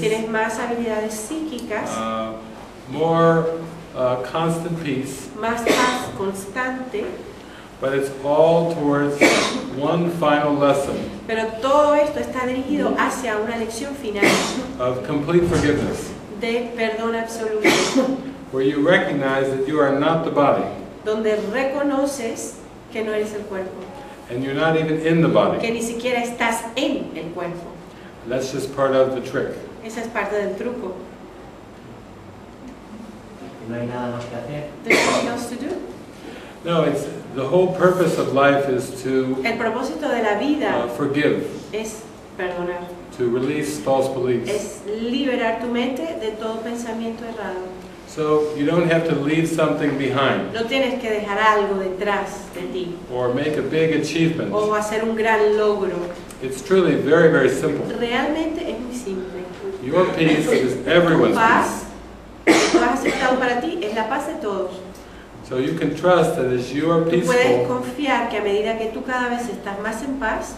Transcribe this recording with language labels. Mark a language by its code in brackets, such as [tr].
[es] tienes más habilidades psíquicas, [en] more constant peace, [es] más paz constante. [en] But it's all towards one final lesson. [es] Pero todo esto está dirigido hacia una lección final. [en] Of complete forgiveness. [es] De perdón absoluto. [en] Where you recognize that you are not the body. [es] Donde reconoces que no eres el cuerpo. [en] And you're not even in the body. [es] Que ni siquiera estás en el cuerpo. That's just part of the trick. Esa es parte del truco. No hay nada más que hacer. [en] There's nothing else to do. No, it's the whole purpose of life is to [es] el propósito de la vida [en] forgive. [es] Es perdonar. [en] To release false beliefs. [es] Es liberar tu mente de todo pensamiento errado. [en] So you don't have to leave something behind. [es] No tienes que dejar algo detrás de ti. [en] Or make a big achievement. [es] O hacer un gran logro. [en] It's truly very, very simple. [es] Realmente es muy simple. [en] Your peace is everyone's [es] paz, [en] peace. [es] Lo has aceptado para ti, es la paz de todos. [en] So you can trust that as you are peaceful, [es] tú puedes confiar que a medida que tú cada vez estás más en paz,